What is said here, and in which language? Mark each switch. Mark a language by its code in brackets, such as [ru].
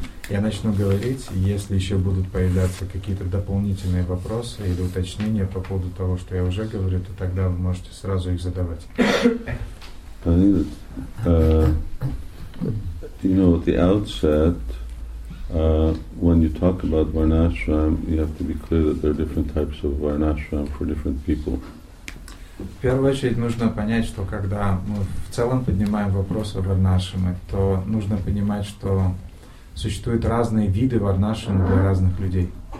[ru] Я начну говорить, если еще будут появляться какие-то дополнительные вопросы или уточнения по поводу того, что я уже говорю, то тогда вы можете сразу их задавать. [en] I think that, you know, at the outset, when you talk about Varnashram, you have to be clear that there are different types of Varnashram for different people. [ru] В первую очередь нужно понять, что когда мы в целом поднимаем вопрос о варнашраме, то нужно понимать, что существуют разные виды варнашрама для разных людей.